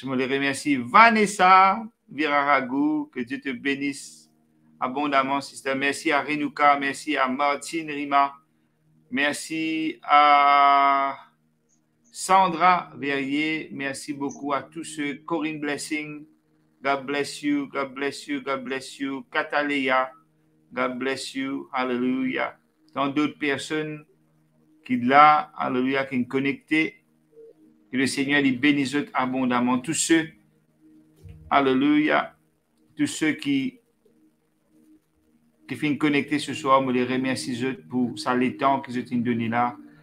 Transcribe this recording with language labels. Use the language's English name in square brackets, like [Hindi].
[French] Je me les remercie, Vanessa Viraragou. Que Dieu te bénisse abondamment, sister. Merci à Renuka. Merci à Martine Rima. Merci à Sandra Verrier. Merci beaucoup à tous ceux. [English] Corinne Blessing, God bless you, God bless you, God bless you. Kataleya, God bless you, hallelujah. [French] Tant d'autres personnes qui sont là, hallelujah, qui sont connectées. Que le Seigneur les bénisse abondamment. Tous ceux, hallelujah, tous ceux qui finissent connectés ce soir, je les remercie pour ça, les temps qu'ils ont donné là.